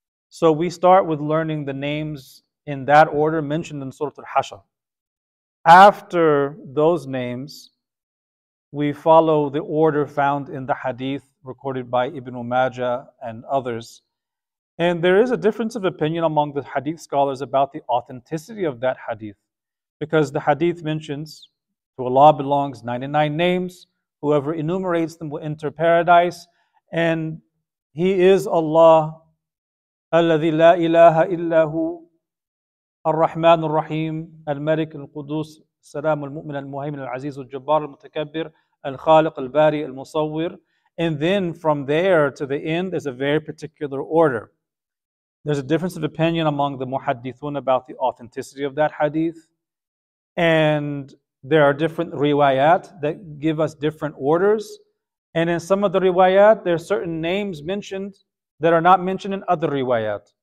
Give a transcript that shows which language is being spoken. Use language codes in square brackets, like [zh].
[en] So we start with learning the names in that order mentioned in Surah Al-Hashr. After those names, we follow the order found in the hadith recorded by Ibn Majah and others. And there is a difference of opinion among the hadith scholars about the authenticity of that hadith. Because the hadith mentions, to Allah belongs 99 names, whoever enumerates them will enter paradise, and He is Allah, [ar] الذي لا إله إلا هو الرحمن الرحيم الملك القدوس السلام المؤمن المهيمن العزيز الجبار المتكبر الخالق الباري المصور. [en] And then from there to the end is a very particular order. There's a difference of opinion among the muhaddithun about the authenticity of that hadith. And there are different riwayat that give us different orders. And in some of the riwayat, there are certain names mentioned that are not mentioned in other riwayat.